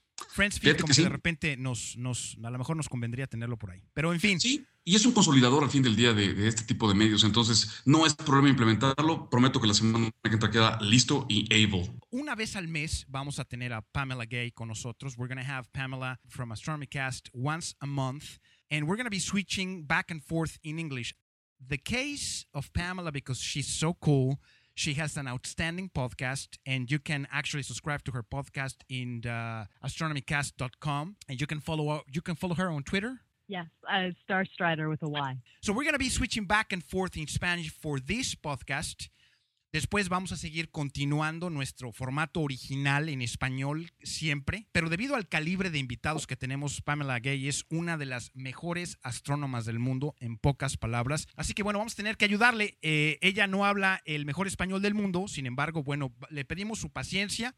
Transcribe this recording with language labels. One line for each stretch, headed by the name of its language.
Spanish: Friends Feed, como que sí, de repente nos a lo mejor nos convendría tenerlo por ahí. Pero en fin. Sí, y es un consolidador al fin del día de este tipo de medios. Entonces, no es problema implementarlo. Prometo que la semana que entra queda listo y able. Una vez al mes vamos a tener a Pamela Gay con nosotros.
English: We're going to have Pamela from AstronomyCast once a month. And we're going to be switching back and forth in English. The case of Pamela, because she's so cool. She has an outstanding podcast, and you can actually subscribe to her podcast in astronomycast.com, and you can follow her on Twitter. Yes, Star Strider with a Y. So we're going to be switching back and forth in Spanish for this podcast.
Spanish: Después vamos a seguir continuando nuestro formato original en español siempre, pero debido al calibre de invitados que tenemos, Pamela Gay es una de las mejores astrónomas del mundo, en pocas palabras. Así que bueno, vamos a tener que ayudarle. Ella no habla el mejor español del mundo, sin embargo, bueno, le pedimos su paciencia.